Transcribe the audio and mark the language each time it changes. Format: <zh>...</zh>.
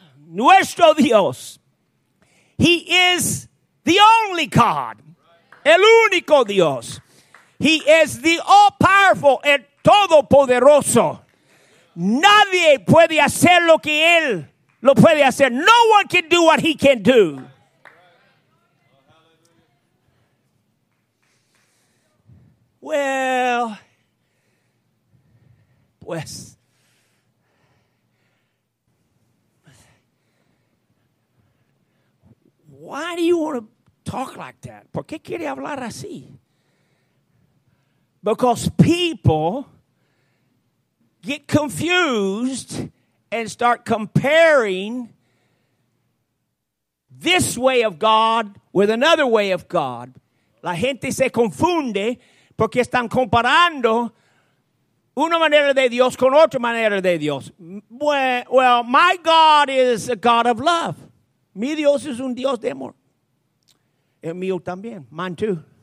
<es>Nuestro Dios.</es> <en>He is the only God.</en> <es>El único Dios.</es> <en>He is the all-powerful,</en> <es>el todopoderoso. Nadie puede hacer lo que él lo puede hacer.</es> <en>No one can do what he can do. Well, pues. Why do you want to talk like that?</en> <es>¿Por qué quiere hablar así?</es> <en>Because people get confused and start comparing this way of God with another way of God.</en> <es>La gente se confunde porque están comparando una manera de Dios con otra manera de Dios.</es> <en>Well, my God is a God of love.</en> <es>Mi Dios es un Dios de amor. El mío también.</es> <en>Mine too.</en>